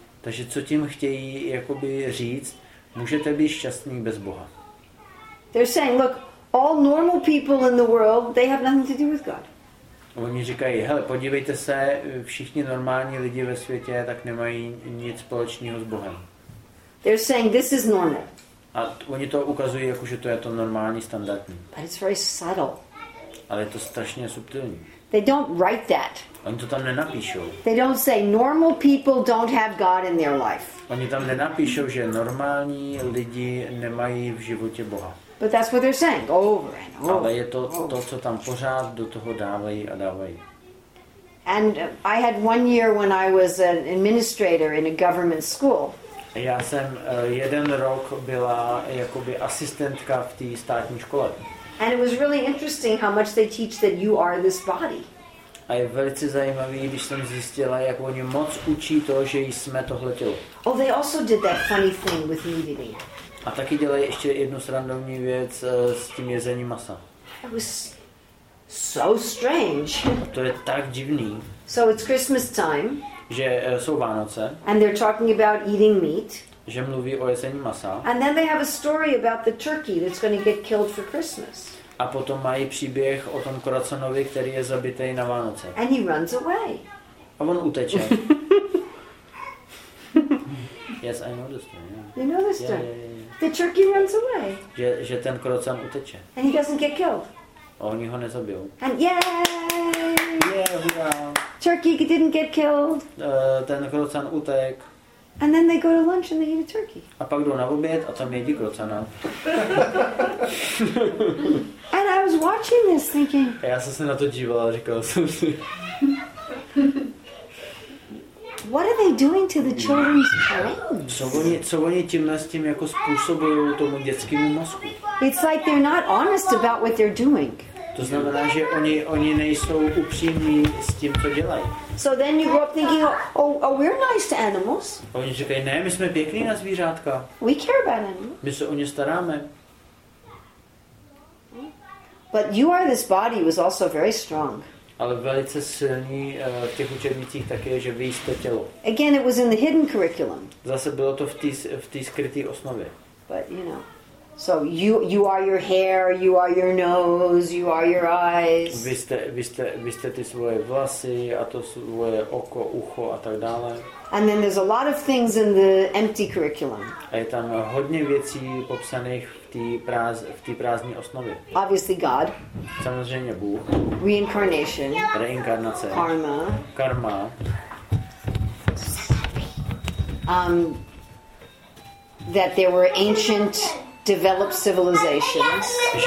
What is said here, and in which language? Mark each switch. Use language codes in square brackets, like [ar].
[cs] Takže co tím chtějí jakoby říct? Můžete být šťastný bez Boha. [en] They're saying, look, all normal people in the world, they have nothing to do with God. [cs] Oni říkají, hele, podívejte se, všichni normální lidi ve světě tak nemají nic společného s Bohem. [en] They're saying this is normal. [cs] A oni to ukazují jako, že to je to normální, standardní. [en] But it's very subtle. [cs] Ale je to strašně subtilní. [en] They don't write that. [cs] Oni to tam nenapíšou. [en] They don't say normal people don't have God in their life. [cs] Oni tam nenapíšou, že normální lidi nemají v životě Boha. [en] But that's what they're saying over and over. [cs] Ale je to, co tam pořád do toho dávají a dávají. [en] And I had one year when I was an administrator in a government school. [cs] Já jsem jeden rok byla jakoby asistentka v té státní škole. [en] And it was really interesting how much they teach that you are this body. [cs] A je velice zajímavý, když jsem zjistila, jak oni moc učí to, že jsme tohle tělo. [en] Oh, they also did that funny thing with nudity. [cs] A taky dělají ještě jednu srandovní věc s tím jezením masa. [en] It was so strange. [cs] To je tak divný. [en] So it's Christmas time. [cs] Že jsou Vánoce. [en] And they're talking about eating meat. [cs] Že mluví o jezení masa. [en] And then they have a story about the turkey that's going to get killed for Christmas. [cs] A potom mají příběh o tom kuracenovi, který je zabitý na Vánoce. [en] And he runs away. [cs] A on uteče. [en] Yes, I know the story. Yeah. You know the story. Yeah. The turkey runs away. [cs] Že ten kurocen uteče. [en] And he doesn't get killed. [cs] A oni ho nezabijou. [en] And yay! Yeah, hurrah! Turkey didn't get killed. [cs] Ten kurocen utek. [en] And then they go to lunch and they eat a turkey. [cs] A pak jdou na oběd a tam jedí krocana. [en] And I was watching this thinking. [cs] A já jsem se na to díval a říkal jsem si. [en] What are they doing to the children's brains? [cs] Co oni tímhle s tím jako způsobují tomu dětskému mozku? [en] It's like they're not honest about what they're doing. [cs] To znamená, že oni nejsou upřímní s tím, co dělají. [en] So then you grow up thinking, oh, we're nice to animals. [cs] Oni říkají, ne, my jsme pěkní na zvířátka. [en] We care about animals. [cs] My se o ně staráme. [en] But you are this body was also very strong. [cs] Ale velice silný v těch učebnicích také, že vy jste tělo. [en] Again, it was in the hidden curriculum. [cs] Zase bylo to v té skryté osnově. [en] But you know. So you are your hair, you are your nose, you are your eyes. [cs] Vy jste ty svoje vlasy a to svoje oko, ucho a tak dále. [en] And then there's a lot of things in the empty curriculum. [cs] A je tam hodně věcí popsaných v té prázdné osnově. [en] Obviously God. [cs] Samozřejmě Bůh. [en] Reincarnation. [cs] Reinkarnace. [en] Karma. [cs] Karma. [en] That there were ancient developed civilizations.